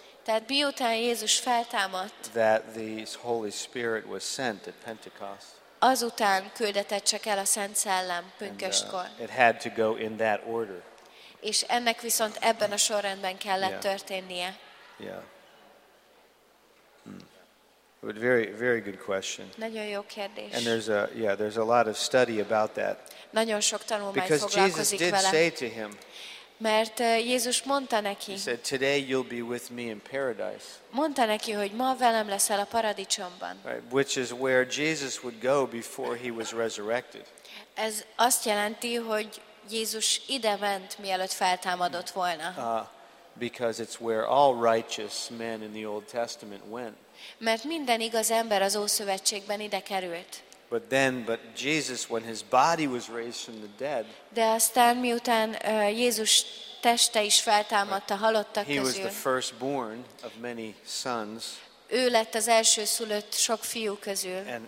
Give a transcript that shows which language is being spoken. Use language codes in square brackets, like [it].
[hu] Tehát miután Jézus feltámadt. [en] That the Holy Spirit was sent at Pentecost. [hu] Azután küldetett csak el a Szent Szellem pünköstkor. [en] It had to go in that order. [hu] És ennek viszont ebben a sorrendben kellett történnie. [en] Yeah. But very, very good question. [hu] Nagyon jó kérdés. [en] And there's a lot of study about that. [hu] Nagyon sok tanulmány foglalkozik vele. [en] Because Jesus did say to him. [hu] Mert Jézus mondta neki. [en] He said, "Today you'll be with me in paradise." [hu] Mondta neki, hogy ma velem leszel a paradicsomban. [en] Right, which is where Jesus would go before he was resurrected. [hu] Ez azt jelenti, hogy Jézus ide ment, mielőtt feltámadott volna. [en] Because it's where all righteous men in the Old Testament went. [hu] Mert minden igaz ember az Ószövetségben ide került. [en] But Jesus, when his body was raised from the dead, [hu] de aztán miután Jézus teste is feltámadta halottak közül, [en] he was the firstborn of many sons. [hu] Ő lett az első szülött sok fiú közül.